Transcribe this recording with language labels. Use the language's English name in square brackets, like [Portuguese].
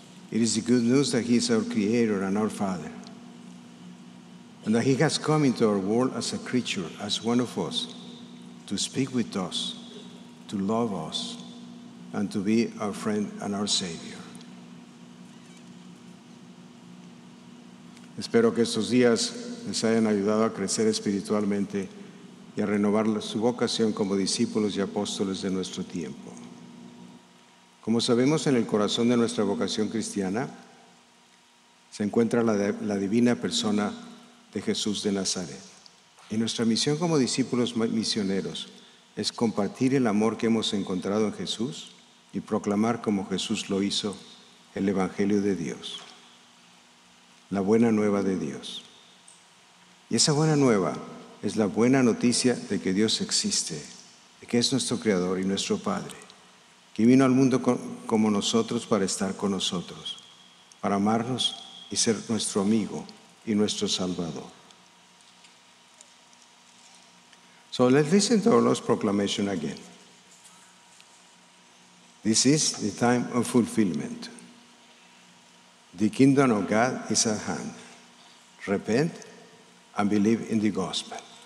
[English] It is the good news that he is our creator and our father, and that he has come into our world as a creature, as one of us, to speak with us, to love us, and to be our friend and our Savior. [Spanish] Espero que estos días les hayan ayudado a crecer espiritualmente y a renovar su vocación como discípulos y apóstoles de nuestro tiempo. Como sabemos, en el corazón de nuestra vocación cristiana se encuentra la divina persona de Jesús de Nazaret. Y nuestra misión como discípulos misioneros es compartir el amor que hemos encontrado en Jesús y proclamar como Jesús lo hizo el Evangelio de Dios, la buena nueva de Dios. Y esa buena nueva es la buena noticia de que Dios existe, de que es nuestro Creador y nuestro Padre, que vino al mundo como nosotros para estar con nosotros, para amarnos y ser nuestro amigo y nuestro Salvador. [English] So let's listen to our Lord's proclamation again. This is the time of fulfillment. The kingdom of God is at hand. Repent and believe in the gospel.